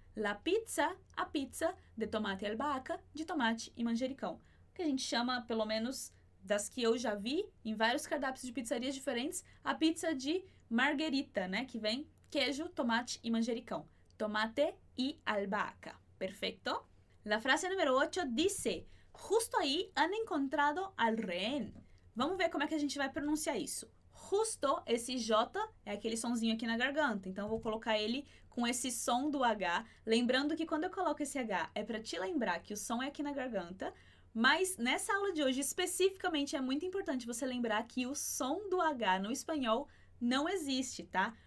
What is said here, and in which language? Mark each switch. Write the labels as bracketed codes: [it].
[es] La pizza, [pt] a pizza de tomate e albahaca, de tomate e manjericão. Que a gente chama, pelo menos, das que eu já vi em vários cardápios de pizzarias diferentes, a pizza de margherita, né? Que vem queijo, tomate e manjericão. Tomate e albahaca. Perfeito? [es] La frase número 8 dice: Justo aí han encontrado al rehén. [pt] Vamos ver como é que a gente vai pronunciar isso. Justo, esse J, é aquele sonzinho aqui na garganta. Então, eu vou colocar ele com esse som do H. Lembrando que quando eu coloco esse H, é para te lembrar que o som é aqui na garganta. Mas, nessa aula de hoje, especificamente, é muito importante você lembrar que o som do H no espanhol não existe, tá?